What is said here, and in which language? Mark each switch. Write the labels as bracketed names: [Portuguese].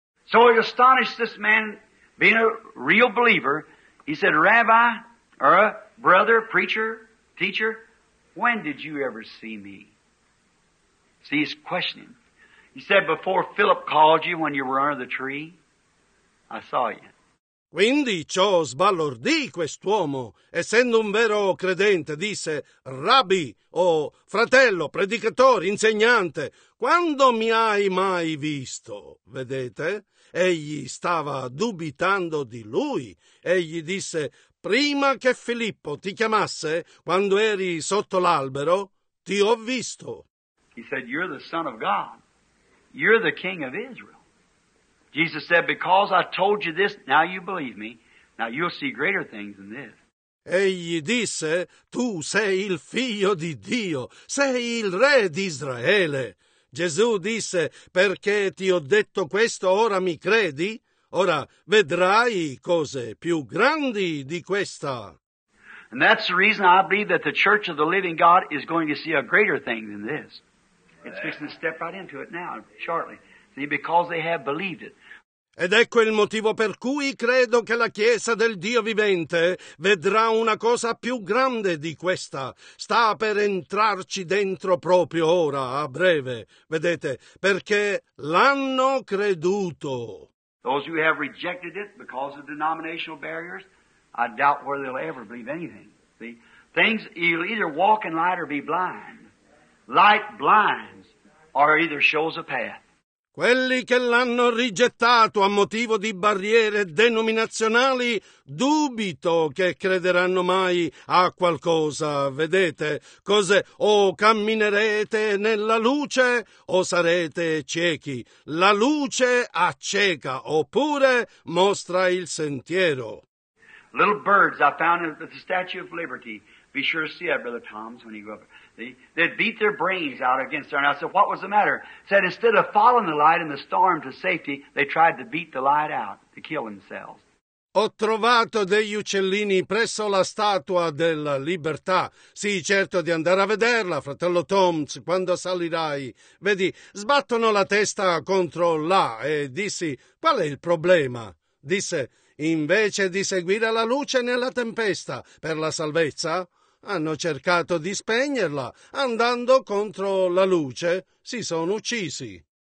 [English] So he astonished this man, being a real believer. He said, Rabbi, or brother, preacher, teacher, when did you ever see me? See, he's questioning. He said, before Philip called you when you were under the tree, I saw you. [Italian] Quindi ciò sbalordì quest'uomo, essendo un vero credente, disse, Rabbi, o fratello, predicatore, insegnante, quando mi hai mai visto? Vedete? Egli stava dubitando di lui. Egli disse, prima che Filippo ti chiamasse, quando eri sotto l'albero, ti ho visto. [English] He said, you're the son of God. You're the king of Israel. Jesus said, because I told you this, now you believe me. Now you'll see greater things than this. [Italian] Egli disse, tu sei il figlio di Dio, sei il re di Israele. Gesù disse, perché ti ho detto questo, ora mi credi? Ora vedrai cose più grandi di questa. [English] And that's the reason I believe that the church of the living God is going to see a greater thing than this. It's fixing to step right into it now, shortly. See, because they have believed it. [Italian] Ed ecco il motivo per cui credo che la Chiesa del Dio vivente vedrà una cosa più grande di questa. Sta per entrarci dentro proprio ora, a breve. Vedete, perché l'hanno creduto. [English] Those who have rejected it because of denominational barriers, I doubt whether they'll ever believe anything. See, things, you'll either walk in light or be blind. Light blinds, or either shows a path. [Italian] Quelli che l'hanno rigettato a motivo di barriere denominazionali, dubito che crederanno mai a qualcosa. Vedete, cose o camminerete nella luce o sarete ciechi. La luce acceca, oppure mostra il sentiero. [English] Little birds I found at the Statue of Liberty. Be sure to see that, Brother Tom's, when he grew up. They'd beat their brains out against her. And I said, what was the matter? Said, instead of following the light in the storm to safety, they tried to beat the light out to kill themselves. [Italian] Ho trovato degli uccellini presso la statua della libertà. Sì, certo di andare a vederla, fratello Toms, quando salirai. Vedi, sbattono la testa contro là. E dissi, qual è il problema? Disse, invece di seguire la luce nella tempesta per la salvezza, hanno cercato di spegnerla, andando contro la luce, si sono uccisi.